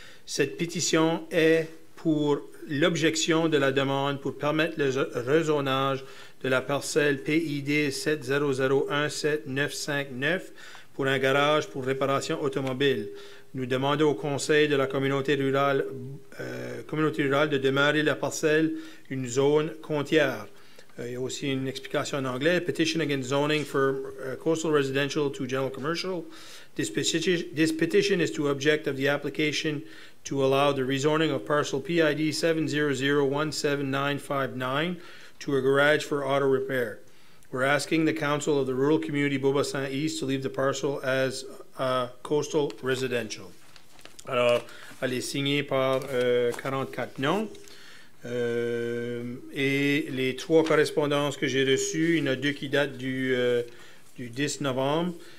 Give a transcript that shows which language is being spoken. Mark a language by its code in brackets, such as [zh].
[fr] Cette pétition est pour l'objection de la demande pour permettre le rezonage de la parcelle PID 7001-7959 pour un garage pour réparation automobile. Nous demandons au conseil de la communauté rurale de demeurer la parcelle une zone côtière. Il y a aussi une explication en anglais. [en] Petition against zoning for coastal residential to general commercial. This petition is to object of the application to allow the rezoning of parcel PID 7001-7959 to a garage for auto repair. We're asking the council of the rural community Beaubassin East to leave the parcel as a coastal residential. [fr] Alors, elle est signée par 44 noms. Et les trois correspondances que j'ai reçues, il y en a deux qui datent du 10 novembre.